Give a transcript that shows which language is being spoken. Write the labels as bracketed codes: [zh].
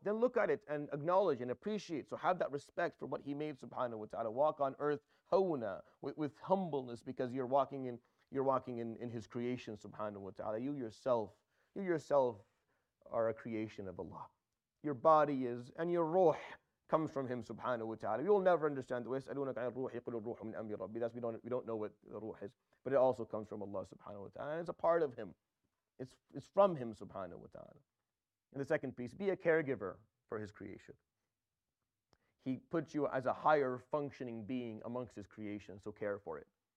[en] Then look at it and acknowledge and appreciate. So have that respect for what he made, subhanahu wa ta'ala. Walk on earth hawna, with humbleness, because you're walking in his creation, subhanahu wa ta'ala. You yourself are a creation of Allah. Your body is, and your ruh comes from him, subhanahu wa ta'ala. You'll never understand the way, [ar] يَسْأَلُونَكَ عَنِ الرُّوحِ يَقُلُ الرُّوحُ مِنْ أَمْرِ رَبِّي. [en] That's, we don't know what the ruh is. But it also comes from Allah, subhanahu wa ta'ala. And it's a part of him. It's from him, subhanahu wa ta'ala. And the second piece, be a caregiver for his creation. He puts you as a higher functioning being amongst his creation, so care for it.